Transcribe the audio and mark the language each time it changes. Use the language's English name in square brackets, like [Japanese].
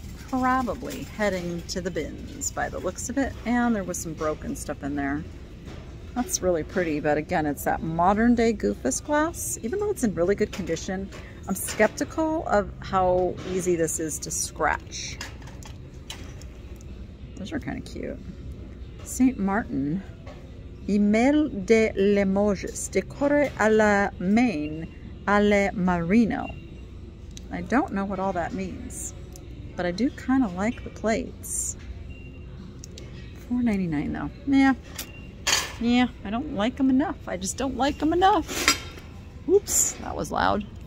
[English] Probably heading to the bins by the looks of it. And there was some broken stuff in there. That's really pretty, but again, it's that modern day Goofus glass. Even though it's in really good condition, I'm skeptical of how easy this is to scratch. Those are kind of cute. [French] Saint Martin, Emile de Limoges, décoré à la main, à la marino. [English] I don't know what all that means. But I do kind of like the plates. $4.99 though. Yeah, I don't like them enough. I just don't like them enough. Oops, that was loud.